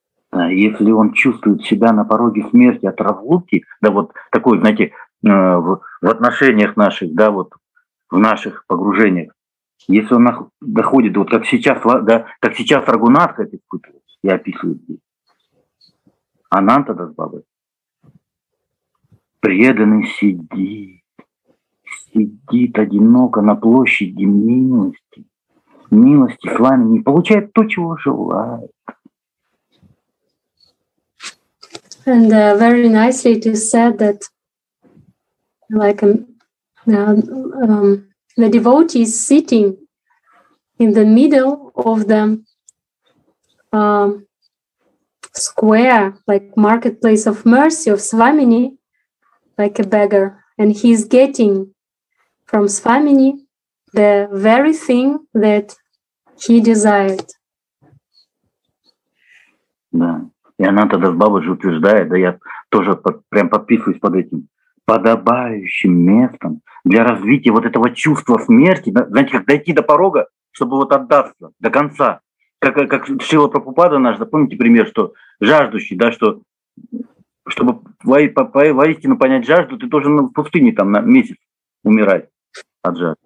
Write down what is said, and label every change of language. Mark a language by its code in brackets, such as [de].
[ru] если он чувствует себя на пороге смерти от разлуки, да вот такой, знаете, в отношениях наших, да, вот в наших погружениях, если он доходит, вот как сейчас, да, как сейчас Рагунатха это испытывает, я описываю здесь. Ананта Дас Баба. Преданный сидит одиноко на площади милости. Милости с вами не получает то, чего желает. [en] And very nicely it is said that like the devotee is sitting in the middle of the square, like marketplace of mercy of Swamini, like a beggar, and he's getting from Swamini the very thing that he desired. [ru] Да. И она тогда с бабой утверждает, да я тоже прям подписываюсь под этим, подобающим местом для развития вот этого чувства смерти, знаете, как дойти до порога, чтобы вот отдаться до конца. Как Шрила Прабхупада наш, запомните пример, что жаждущий, да, что чтобы воистину понять жажду, ты должен в пустыне там на месяц умирать от жажды.